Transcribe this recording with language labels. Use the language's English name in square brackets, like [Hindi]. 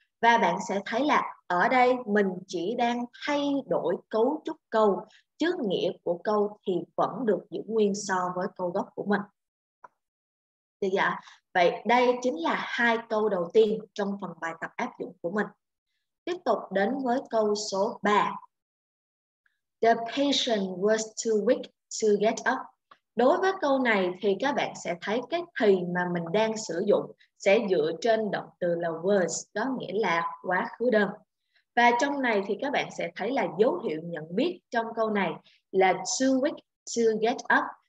[Vietnamese] Và bạn sẽ thấy là ở đây mình chỉ đang thay đổi cấu trúc câu, chứ nghĩa của câu thì vẫn được giữ nguyên so với câu gốc của mình. Được dạ. Vậy đây chính là hai câu đầu tiên trong phần bài tập áp dụng của mình. Tiếp tục đến với câu số 3. [English] The patient was too weak to get up. [Vietnamese] Đối với câu này thì các bạn sẽ thấy cái thì mà mình đang sử dụng sẽ dựa trên động từ là was, có nghĩa là quá khứ đơn. Và trong này thì các bạn sẽ thấy là dấu hiệu nhận biết trong câu này là [English] too weak to get up.